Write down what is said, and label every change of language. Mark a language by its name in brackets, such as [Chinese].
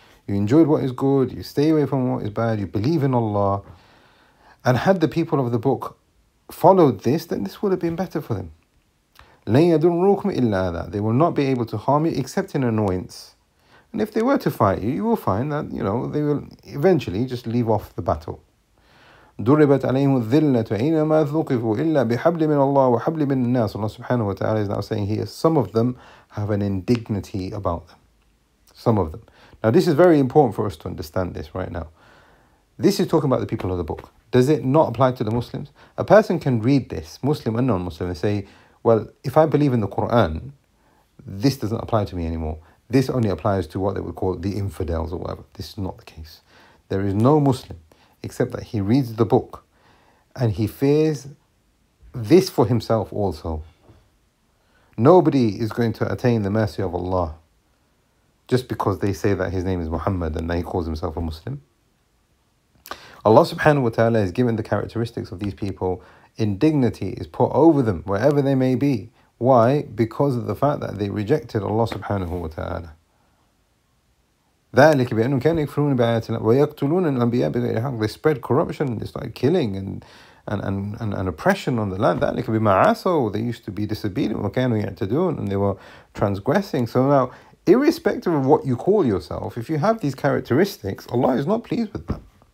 [English] You enjoyed what is good, you stay away from what is bad, you believe in Allah. And had the people of the book followed this, then this would have been better for them. [Arabic] لَنْ يَدُرُّوكُمْ إِلَّا أَذًى. [English] They will not be able to harm you except in annoyance. And if they were to fight you, you will find that, you know, they will eventually just leave off the battle. [Arabic] ضربت عليهم الذلة أينما ثقفوا إلا بحبل من الله وحبل من الناس. [English] Allah subhanahu wa ta'ala is now saying here, some of them have an indignity about them. Some of them. Now this is very important for us to understand this right now. This is talking about the people of the book. Does it not apply to the Muslims? A person can read this, Muslim and non-Muslim, and say, well, if I believe in the Quran, this doesn't apply to me anymore. This only applies to what they would call the infidels or whatever. This is not the case. There is no Muslim except that he reads the book and he fears this for himself also. Nobody is going to attain the mercy of Allah just because they say that his name is Muhammad and that he calls himself a Muslim. Allah subhanahu wa ta'ala is given the characteristics of these people. Indignity is put over them wherever they may be. Why? Because of the fact that they rejected Allah subhanahu wa ta'ala. [Arabic] ذلك بأنهم كانوا يكفرون بآيات الله ويقتلون الأنبياء بغير حق. [English] They spread corruption, they started killing and oppression on the land. [Arabic] ذلك بما عصوا. [English] They used to be disobedient, [Arabic] وكانوا يعتدون, [English] and they were transgressing. So now, irrespective of what you call yourself, if you have these characteristics, Allah is not pleased with them.